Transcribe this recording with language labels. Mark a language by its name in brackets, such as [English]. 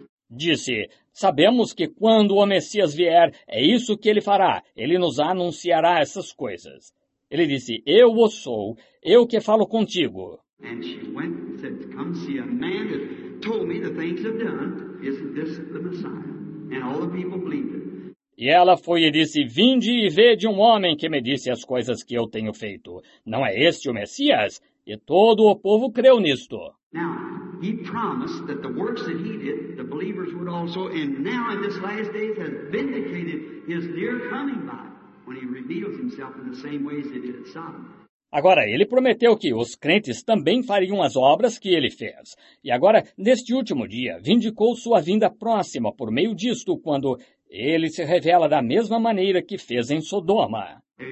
[Portuguese] Disse, sabemos que quando o Messias vier, é isso que ele fará. Ele nos anunciará essas coisas. Ele disse, eu o sou, eu que falo contigo. [English] And she went and said, come see a man that told me the things I've done. Isn't this the Messiah? And all the people believed it. [Portuguese] E ela foi e disse, vinde e vede um homem que me disse as coisas que eu tenho feito. Não é este o Messias? E todo o povo creu nisto. [English] Now, he promised that the works that he did, the believers would also, and now in this last days has vindicated his near coming by, when he reveals himself in the same ways that he did at Sodom. [Portuguese] Agora, ele prometeu que os crentes também fariam as obras que ele fez. E agora, neste último dia, vindicou sua vinda próxima por meio disto, quando ele se revela da mesma maneira que fez em Sodoma.